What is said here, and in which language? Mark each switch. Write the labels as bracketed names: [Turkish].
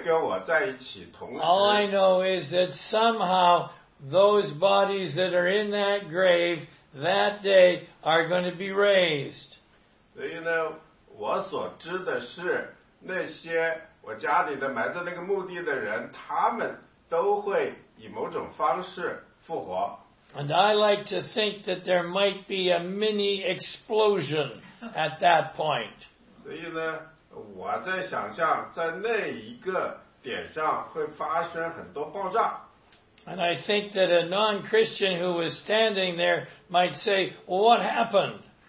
[English] All I know is that somehow those bodies that are in that grave that day are going to be raised. [Chinese] 所以呢，我所知的是，那些我家里的埋在那个墓地的人，他们都会以某种方式复活。 [English] And I like to think that there might be a mini explosion at that point. [Chinese] 所以呢，我在想象在那一个点上会发生很多爆炸。 [English] And I think that a non-Christian who was standing there might say, well, what happened?